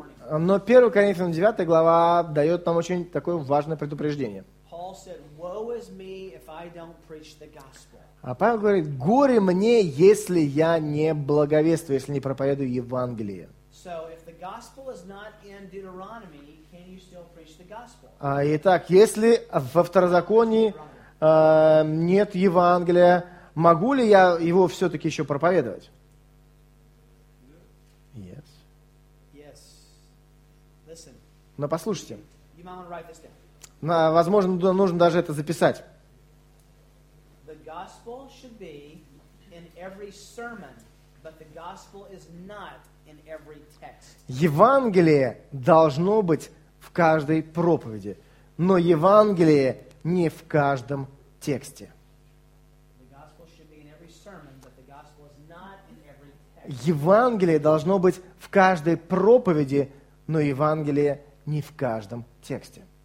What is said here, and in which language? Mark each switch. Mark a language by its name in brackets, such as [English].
[Russian] Но 1 Коринфянам 9 глава дает нам очень такое важное предупреждение. [English] Paul said, "Woe is me if I don't preach the gospel." [Russian] А Павел говорит, горе мне, если я не благовествую, если не проповедую Евангелие. [English] So if the gospel is not in Deuteronomy, can you still preach the gospel? [Russian] Итак, если во Второзаконии нет Евангелия, могу ли я его все-таки еще проповедовать? [English] Yes. Yes. Listen. [Russian] Но послушайте. [English] You might want to write this down. [Russian] Возможно, нужно даже это записать. [English] The gospel should be in every sermon, but the gospel is not in every text. [Russian] Евангелие должно быть в каждой проповеди, но Евангелие не в каждом тексте. [English] The gospel should be in every sermon, but the gospel is not in every text. [Russian] Евангелие должно быть в каждой проповеди, но Евангелие не в каждом тексте.